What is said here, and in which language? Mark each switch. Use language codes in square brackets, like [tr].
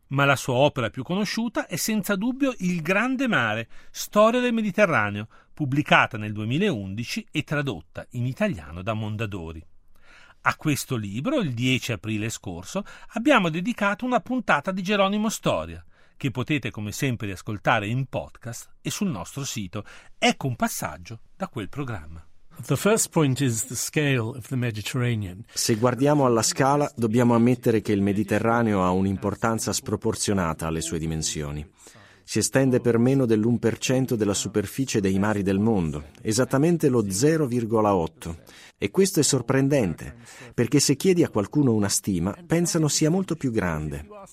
[it] Ma la sua opera più conosciuta è senza dubbio Il Grande Mare, storia del Mediterraneo, pubblicata nel 2011 e tradotta in italiano da Mondadori. A questo libro, il 10 aprile scorso, abbiamo dedicato una puntata di Geronimo Storia, che potete come sempre ascoltare in podcast e sul nostro sito. Ecco un passaggio da quel programma. [en] The first point is the scale of the Mediterranean. [it] Se guardiamo alla scala, dobbiamo ammettere che il Mediterraneo ha un'importanza sproporzionata alle sue dimensioni. Si estende per meno dell'1% della superficie dei mari del mondo, esattamente lo 0,8. E questo è sorprendente, perché se chiedi a qualcuno una stima, pensano sia molto più grande.